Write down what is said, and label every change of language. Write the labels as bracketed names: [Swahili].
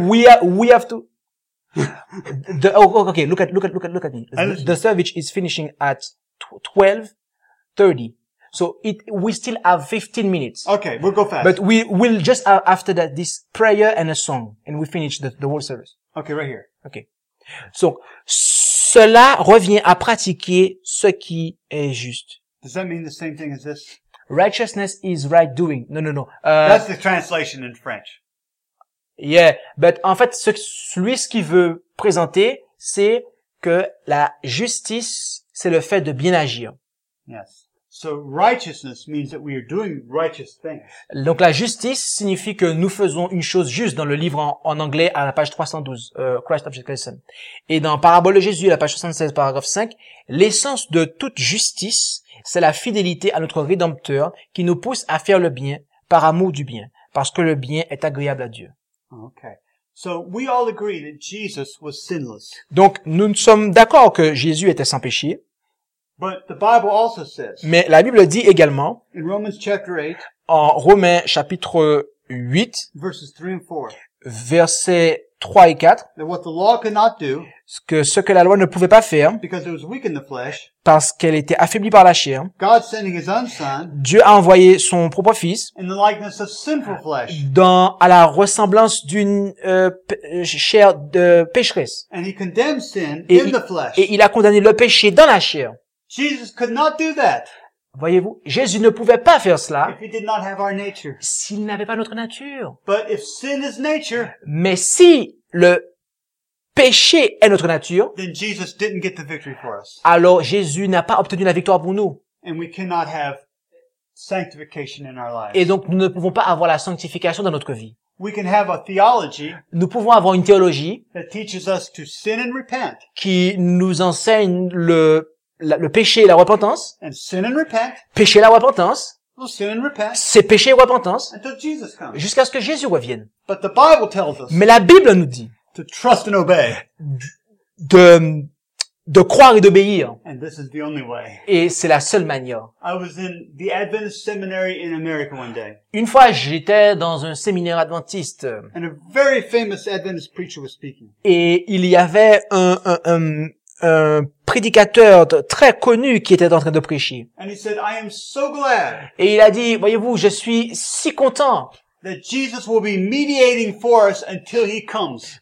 [English] We have to. okay. Look at me. The service is finishing at 12:30. So we still have 15 minutes. Okay, we'll go fast. But we will just after that, this prayer and a song, and we finish the whole service. Okay, right here. Okay. So, [French] cela revient à pratiquer ce qui est juste. [English] Does that mean the same thing as this? Righteousness is right doing. No. That's the translation in French. Yeah, but [French] en fait, ce qu'il veut présenter, c'est que la justice, c'est le fait de bien agir. [English] Yes. So righteousness means that we are doing righteous things. [French] Donc la justice signifie que nous faisons une chose juste dans le livre en anglais à la page 312, Christ Object Lesson. Et dans Parabole de Jésus, à la page 76, paragraphe 5, l'essence de toute justice, c'est la fidélité à notre Rédempteur qui nous pousse à faire le bien par amour du bien, parce que le bien est agréable à Dieu. [English] Okay. So we all agree that Jesus was sinless. [French] Donc nous sommes d'accord que Jésus était sans péché. [English] But the Bible also says, [French] mais la Bible dit également, [English] in Romans chapter 8, [French] en Romains chapitre 8, [English] verses 3 and 4, [French] versets 3 et 4, [English] that what the law could not do, [French] ce que la loi ne pouvait pas faire, [English] because it was weak in the flesh, [French] parce qu'elle était affaiblie par la chair, [English] God sending his own son, [French] Dieu a envoyé son propre fils [English] in the likeness of sinful flesh, [French] à la ressemblance d'une chair de pécheresse. [English] And he condemned sin et, in the flesh. [French] Et il a condamné le péché dans la chair. [English] Jesus could not do that. [French] Voyez-vous, Jésus ne pouvait pas faire cela [English] if he did not have our nature. [French] S'il n'avait pas notre nature. [English] But if sin is nature, [French] mais si le péché est notre nature, [English] then Jesus didn't get the victory for us. [French] Alors Jésus n'a pas obtenu la victoire pour nous. [English] And we cannot have sanctification in our lives. [French] Et donc nous ne pouvons pas avoir la sanctification dans notre vie. [English] We can have a theology, [French] nous pouvons avoir une théologie [English] that teaches us to sin and repent, [French] qui nous enseigne le péché et la repentance. [English] And sin and repent. [French] Péché et la repentance. [English] Well, sin and repent. [French] C'est péché et repentance. [English] Until Jesus comes. [French] Jusqu'à ce que Jésus revienne. [English] But the Bible tells us. [French] Mais la Bible nous dit. [English] To trust and obey. [French] De croire et d'obéir. [English] And this is the only way. [French] Et c'est la seule manière. [English] I was in the Adventist seminary in America one day. [French] Une fois, j'étais dans un séminaire adventiste. [English] And a very famous Adventist preacher was speaking. [French] Et il y avait un prédicateur très connu qui était en train de prêcher. [English] And he said, I am so glad, [French] et il a dit, voyez-vous, je suis si content [English] that Jesus will be mediating for us until he comes.